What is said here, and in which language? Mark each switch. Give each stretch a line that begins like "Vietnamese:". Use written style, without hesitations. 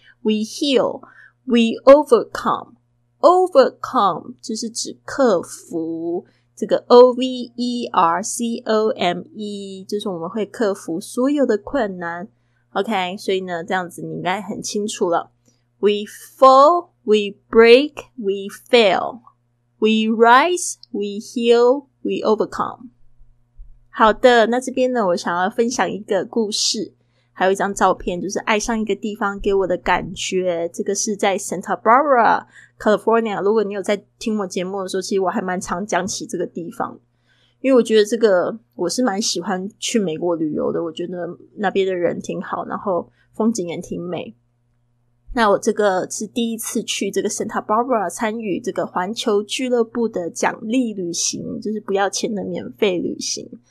English: We heal, we overcome,
Chinese: overcome 就是指克服，这个 O-V-E-R-C-O-M-E 就是我们会克服所有的困难。 OK, 所以呢这样子你应该很清楚了。
English: We fall, we break, we fail. We rise, we heal, we overcome.
Chinese: 好的，那这边呢我想要分享一个故事，还有一张照片，就是爱上一个地方给我的感觉。这个是在 Santa Barbara, California. 如果你有在听我节目的时候，其实我还蛮常讲起这个地方，因为我觉得这个我是蛮喜欢去美国旅游的，我觉得那边的人挺好，然后风景也挺美。那我这个是第一次去这个 Santa Barbara 参与这个环球俱乐部的奖励旅行，就是不要钱的免费旅行。